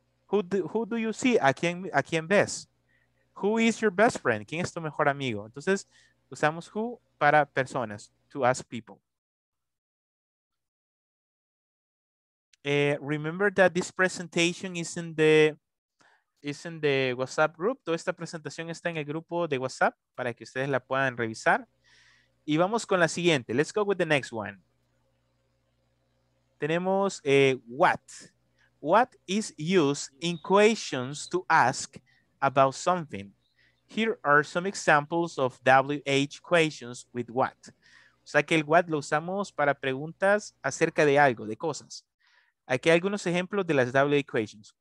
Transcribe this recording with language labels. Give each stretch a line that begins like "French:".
English: Who do you see?
Spanish: ¿A quién ves?
English: Who is your best friend?
Spanish: ¿Quién es tu mejor amigo? Entonces, usamos who para personas,
English: to ask people. Remember that this presentation is in the WhatsApp group.
Spanish: Toda esta presentación está en el grupo de WhatsApp para que ustedes la puedan revisar. Y vamos con la siguiente.
English: Let's go with the next one.
Spanish: Tenemos what.
English: What is used in questions to ask about something? Here are some examples of WH questions with what.
Spanish: O sea que el what lo usamos para preguntas acerca de algo, de cosas. Aquí hay algunos ejemplos de las W equations.